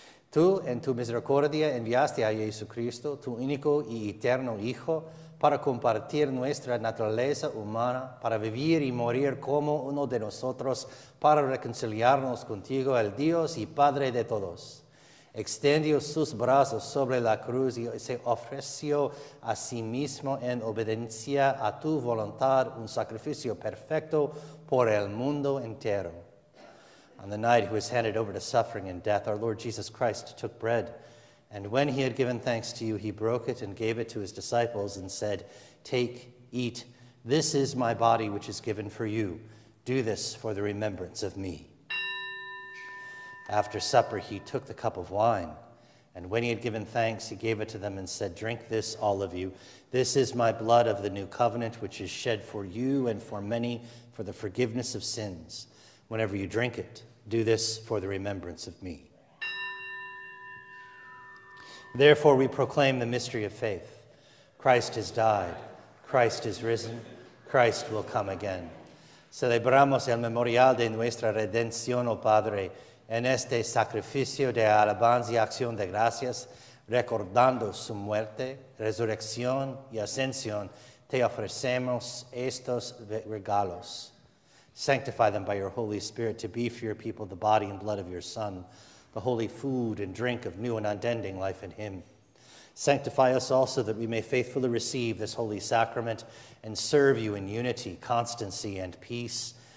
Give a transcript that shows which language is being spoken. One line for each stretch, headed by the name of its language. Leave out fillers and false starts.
Spanish: Tú, en tu misericordia, enviaste a Jesucristo, tu único y eterno Hijo, para compartir nuestra naturaleza humana, para vivir y morir como uno de nosotros, para reconciliarnos contigo, el Dios y Padre de todos. extendió sus brazos sobre la cruz y se ofreció a sí mismo en obediencia a tu voluntad, un sacrificio perfecto por el mundo entero.
English: On the night he was handed over to suffering and death, our Lord Jesus Christ took bread. And when he had given thanks to you, he broke it and gave it to his disciples and said, "Take, eat, this is my body which is given for you. Do this for the remembrance of me." After supper, he took the cup of wine, and when he had given thanks, he gave it to them and said, "Drink this, all of you. This is my blood of the new covenant, which is shed for you and for many for the forgiveness of sins. Whenever you drink it, do this for the remembrance of me." Therefore, we proclaim the mystery of faith. Christ has died. Christ is risen. Christ will come again.
Spanish: Celebramos el memorial de nuestra redención, oh Padre, en este sacrificio de alabanza y acción de gracias, recordando su muerte, resurrección y ascensión, te ofrecemos estos regalos.
English: Sanctify them by your Holy Spirit to be for your people the body and blood of your Son, the holy food and drink of new and unending life in him. Sanctify us also that we may faithfully receive this holy sacrament and serve you in unity, constancy, and peace.